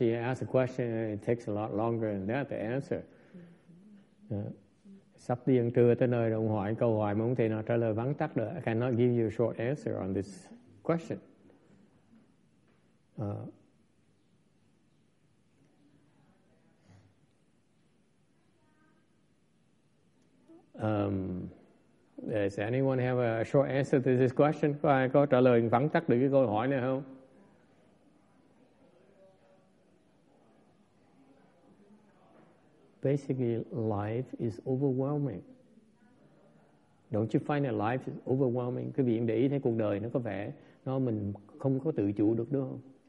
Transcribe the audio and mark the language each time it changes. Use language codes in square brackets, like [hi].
[en] You ask a question, and it takes a lot longer than that to answer. [vi] Sắp đi ăn trưa tới nơi, ông hỏi câu hỏi mà ông thầy nào trả lời vắn tắt được. [en] I cannot give you a short answer on this question. Does anyone have a short answer to this question? [vi] Có ai có trả lời vắn tắt được cái câu hỏi này không? [en] Basically, life is overwhelming. Don't you find that life is overwhelming? [vi] Quý vị để ý thấy cuộc đời nó có vẻ nó mình không có tự chủ được đúng không?